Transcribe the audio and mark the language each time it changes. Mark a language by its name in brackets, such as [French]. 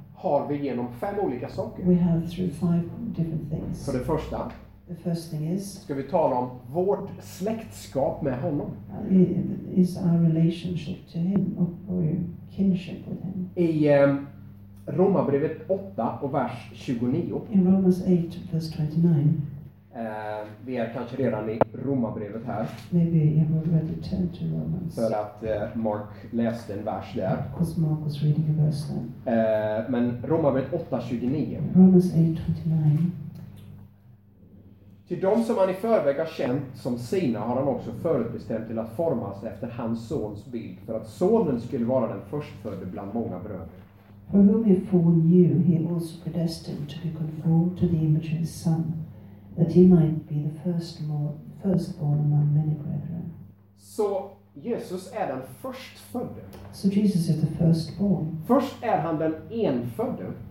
[Swedish] Har vi genom fem olika saker. [English] We have through five different things. [Swedish] För det första. [English] The first thing is. [Swedish] Ska vi tala om vårt släktskap med honom. [English] Is our relationship to him or our kinship with him. [Swedish] I Romarbrevet 8 och vers 29. [English] In Romans 8 verse 29. [Swedish] Vi är kanske redan i Romarbrevet här. [English] Maybe you have already turned to Romans. [Swedish] För att Mark läste en vers där. [English] Because Mark was reading a verse there. [Swedish] Men Romarbrevet 8, 29. [English] Romans 8, 29. [Swedish] Till de som han i förväg har känt som sina har han också förutbestämt till att formas efter hans sons bild. För att sonen skulle vara den förstfödde bland många bröder. [English] For whom he foreknew, he also predestined to be conformed to the image of his son, that he might be the firstborn among many brethren. [Swedish] Så Jesus är den förstfödde. [English] So Jesus is the firstborn. [Swedish] Först är han den enfödde.